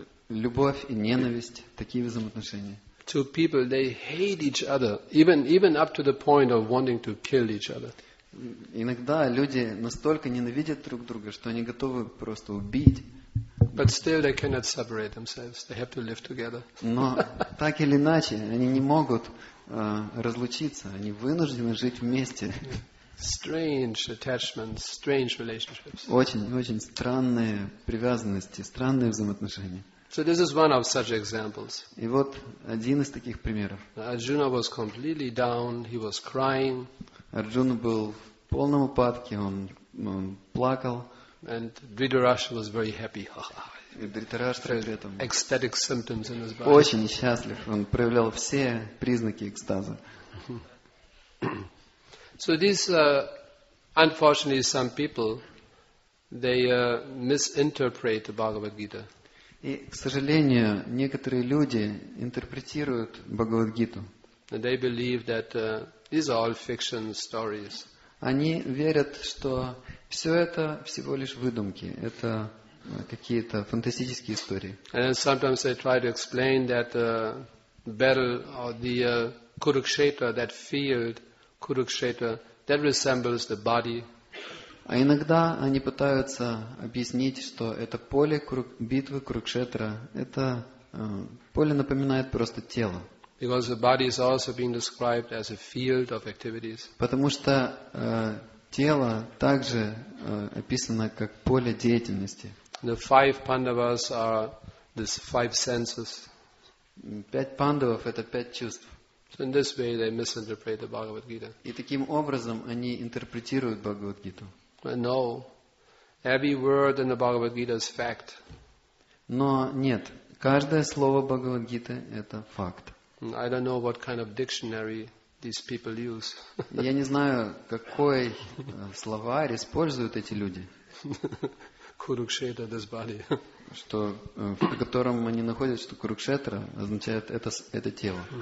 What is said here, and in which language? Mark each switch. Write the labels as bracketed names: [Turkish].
[Russian] Любовь и ненависть, такие взаимоотношения. [English] Two people, they hate each other, even up to the point of wanting to kill each other. [Russian] Иногда люди настолько ненавидят друг друга, что они готовы просто убить. [English] But still, they cannot separate themselves. They have to live together. [Russian] Но так или иначе, они не могут разлучиться. Они вынуждены жить вместе. [English] Strange attachments, strange relationships. [Russian] Очень-очень странные привязанности, странные взаимоотношения. [English] So this is one of such examples. [Russian] И вот один из таких примеров. [English] Arjuna was completely down, he was crying. [Russian] Арджуна был в полном упадке, он плакал. [English] And Dhritarashtra was very happy. [Russian] И Дхритарашта при этом [English] ecstatic symptoms in his body. [Russian] Очень счастлив, он проявлял все признаки экстаза. [English] So these unfortunately some people they misinterpret the Bhagavad Gita. [Russian] И, к сожалению, некоторые люди интерпретируют Бхагавад-гиту. [English] They believe that these are all fiction stories. [Russian] Они верят, что все это всего лишь выдумки, это какие-то фантастические истории. [English] And then sometimes they try to explain that battle or the Kurukshetra, that field Kurukshetra, that resembles the body. [Russian] А иногда они пытаются объяснить, что это поле битвы Курукшетра, это поле напоминает просто тело. [English] Because the body is also being described as a field of activities. [Russian] Потому что тело также описано как поле деятельности. [English] The five Pandavas are the five senses. [Russian] Пять пандавов это пять чувств. [English] So in this way they misinterpret the Bhagavad Gita. [Russian] И таким образом они интерпретируют Бхагавад Гиту. [English] No, every word in the Bhagavad Gita is fact. [Russian] Но нет, каждое слово Бхагавад-гиты это факт. [English] I don't know what kind of dictionary these people use. [Russian] Я не знаю, какой словарь используют эти люди. Курукшетра дасбали. Что в котором они находятся, что Курукшетра означает это тело.